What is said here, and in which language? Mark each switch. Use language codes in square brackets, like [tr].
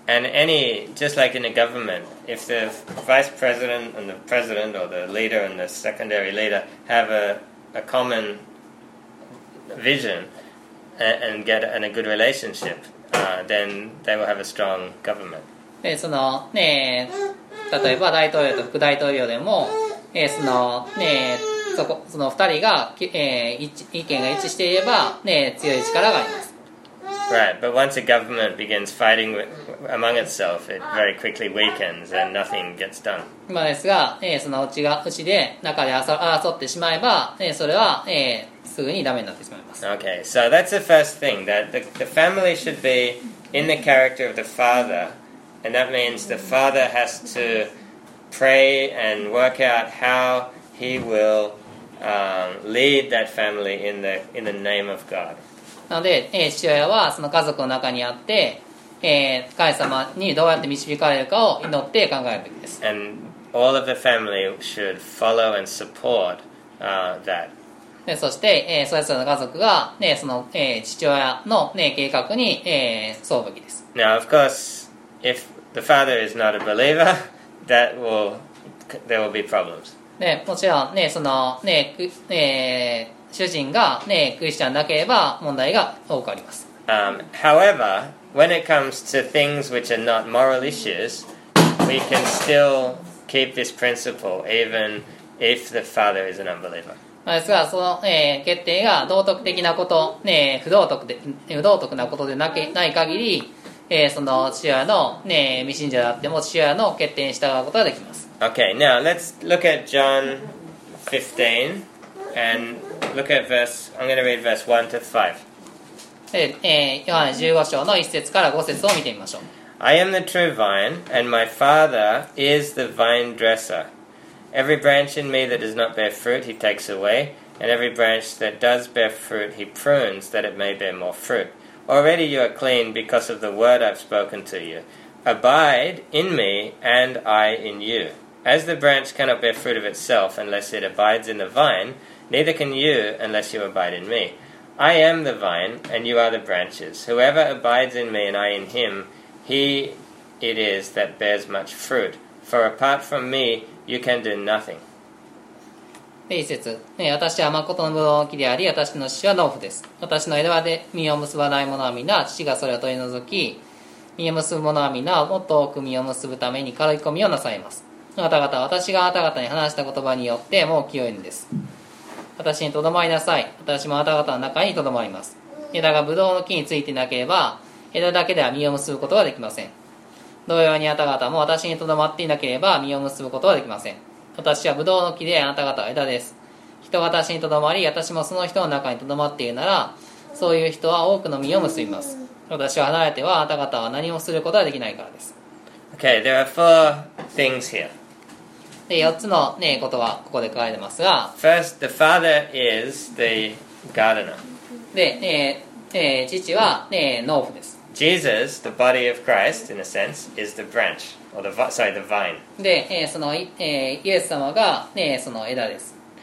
[en] And any, just like in a government, if the vice president and the president or the leader and the secondary leader have a common visionand get in a good relationship, then they will have a strong government. [ja] でそのね、例えば大統領と副大統領でも、そのね、その二人が、意見が一致していれば、ね、強い力があります。 [en] Right, but once a government begins fighting among itself, it very quickly weakens and nothing gets done. [ja] まあですが、そのうちで中で争ってしまえば、それは、すぐにダメになってしまいます。 [en] Okay, so that's the first thing, that the family should be in the character of the father, and that means the father has to pray and work out how he will, lead that family in the name of God. [ja] なので、父親はその家族の中にあって、神様にどうやって導かれるかを祈って考えるべきです。 [en] And all of the family should follow and support, that. [ja] でそして、それぞれの家族が、ね、その、父親の、ね、計画に、沿うべきです。 [en] Now, of course, if the father is not a believer, that will, there will be problems. [ja] でもちろん、ねそのね主人が、ね、クリスチャンなければ問題が多くあります。 [en] However, when it comes to things which are not moral issues, we can still keep this principle even if the father is an unbeliever. [ja] ですがその、決定が道徳的なこと、ね、不道徳なことでなけない限り、その父親の、ね、未信者であっても父親の決定に従うことができます。 [en] Okay, now let's look at John 15 and look at verse, I'm going to read verse 1 to 5. [ja] ヨハネ15章の1節から5節を見てみましょう。 [en] I am the true vine and my father is the vine dresserEvery branch in me that does not bear fruit, he takes away, and every branch that does bear fruit, he prunes, that it may bear more fruit. Already you are clean because of the word I've spoken to you. Abide in me, and I in you. As the branch cannot bear fruit of itself unless it abides in the vine, neither can you unless you abide in me. I am the vine, and you are the branches. Whoever abides in me and I in him, he it is that bears much fruit. For apart from me,You can do nothing. [ja] 一節、ね、私は誠のブドウの木であり、私の父は農夫です。私の枝で実を結ばないものは皆、父がそれを取り除き、実を結ぶものは皆、もっと多く実を結ぶために刈り込みをなさいます。あなた方は私があなた方に話した言葉によってもう清いんです。私にとどまりなさい。私もあなた方の中にとどまります。枝がブドウの木についていなければ、枝だけでは実を結ぶことはできません。同様にあなた方も私にとどまっていなければ実を結ぶことはできません。私はブドウの木であなた方は枝です。人が私にとどまり、私もその人の中にとどまっているなら、そういう人は多くの実を結びます。私は離れてはあなた方は何もすることはできないからです。 [en] Okay, there are four things here. [ja] で、4つの、ね、ことはここで書かれてますが、 [en] First, the father is the gardener. [ja] で、父は、ね、農夫です。 [en] Jesus, the body of Christ, in a sense, is the branch, or the, sorry, the vine. [ja] で、その、イエス様が、ね、その枝です。